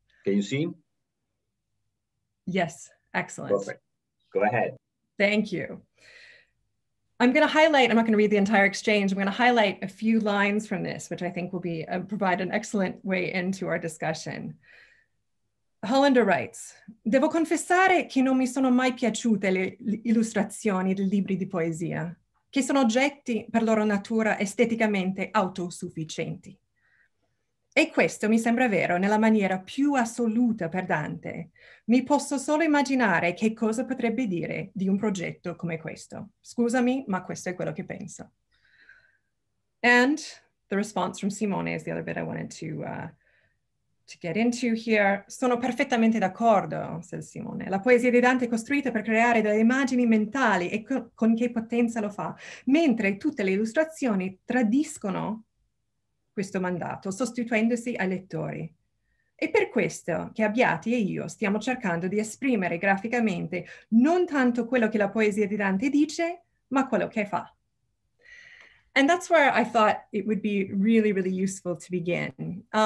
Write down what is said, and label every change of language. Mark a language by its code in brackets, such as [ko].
[en] Can you see? Yes, excellent. Perfect. Go ahead. Thank you. I'm not going to read the entire exchange. I'm going to highlight a few lines from this, which I think will be provide an excellent way into our discussion. [it] Hollander writes, "Devo confessare che non mi sono mai piaciute le illustrazioni dei libri di poesia, che sono oggetti per loro natura esteticamente autosufficienti. E questo mi sembra vero nella maniera più assoluta per Dante. Mi posso solo immaginare che cosa potrebbe dire di un progetto come questo. Scusami, ma questo è quello che penso." [en] And the response from Simone is the other bit I wanted to get into here. [it] "Sono perfettamente d'accordo," [en] says Simone. [it] "La poesia di Dante è costruita per creare delle immagini mentali e con che potenza lo fa, mentre tutte le illustrazioni tradiscono questo mandato, sostituendosi ai lettori. E per questo che Abbiati e io stiamo cercando di esprimere graficamente non tanto quello che la poesia di Dante dice, ma quello che fa." [en] And that's where I thought it would be really, really useful to begin.